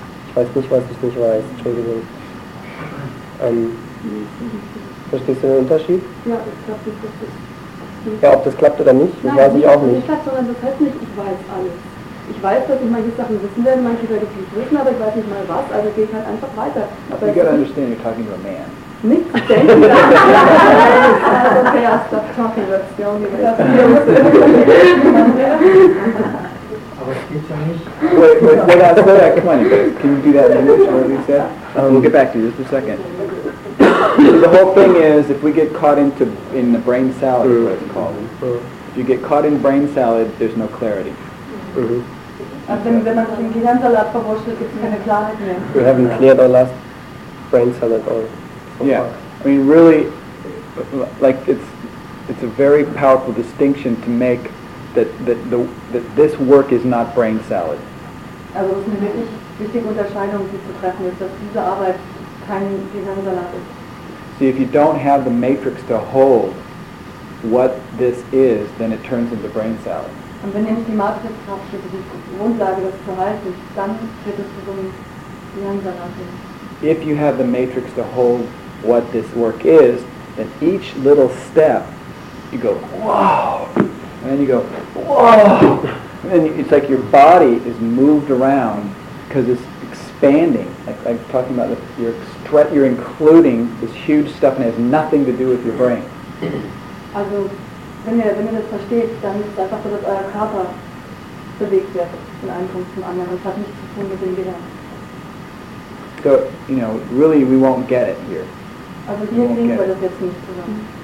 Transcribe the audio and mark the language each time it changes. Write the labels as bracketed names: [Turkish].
[German] Ich weiß nicht, was ich nicht weiß. Entschuldigung. Verstehst du den Unterschied? Ja, ich glaube nicht, dass das nicht. Ja, ob das klappt oder nicht, nein, weiß ich auch nicht. Nein, sondern das heißt nicht, ich weiß alles. Ich weiß, dass ich manche Sachen wissen werde, manche werde ich nicht wissen, aber ich weiß nicht mal was, also gehe ich halt einfach weiter. [English] You gotta understand, you're talking to a man. [German] Nicht denken, dass ich nicht weiß. [English] Okay, I'll stop talking, that's the only way. [German] Aber es geht ja nicht. [English] Wait, come on, you guys. Can you do that in English, what you said? We'll get back to you, just a second. The whole thing is, if we get caught in the brain salad, is what it's called. If you get caught in brain salad, there's no clarity. We haven't cleared our last brain cell at all. Yeah, I mean really, like it's a very powerful distinction to make that this work is not brain salad. [German] Also es ist eine wirklich wichtige Unterscheidung, die zu treffen ist, dass diese Arbeit kein Gehirnsalat ist. [English] See, if you don't have the matrix to hold what this is, then it turns into brain salad. [German] Und wenn nämlich die Matrix habt, die Grundlage, das zu halten, dann wird es zu so einem Gehirnsalat. [English] If you have the matrix to hold what this work is, then each little step, you go, whoa, and then you go, whoa, and then it's like your body is moved around because it's expanding. Like talking about you're including this huge stuff and it has nothing to do with your brain. [German] Also, wenn ihr das versteht, dann ist es einfach so, dass euer Körper bewegt wird von einem Punkt zum anderen. Das hat nichts zu tun mit dem Gehirn. [English] So, you know, really we won't get it here. [German] Also hier kriegen wir das jetzt nicht zusammen.